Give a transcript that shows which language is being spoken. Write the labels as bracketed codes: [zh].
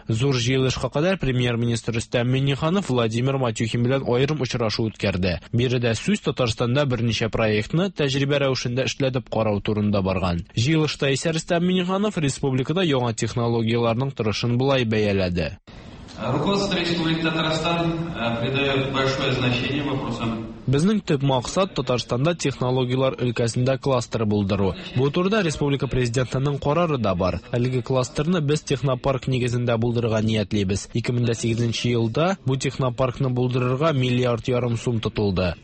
[tt] Зур җыелышка кадәр премьер-министр Рөстәм Миңнеханов Владимир Матюхин белән аерым очрашу үткәрде. Биредә сүз Татарстанда берничә проектны тәҗрибә рәвешендә эшләтеп карау турында барган. Җыелышта исә Рөстәм Миңнеханов республикада яңа технологияларның торышын булай бәяләде. [ru] Руководство Республики Татарстан придает большое значение вопросам. [tt] Безнең төп максат Татарстанда технологиялар өлкәсендә кластер булдыру. Бу турыда республика президентының карары да бар. Әлеге кластерны без технопарк нигезендә булдырырга ниятлибез. 2008 елда бу технопаркны булдырырга 1.5 миллиард сум тотылды.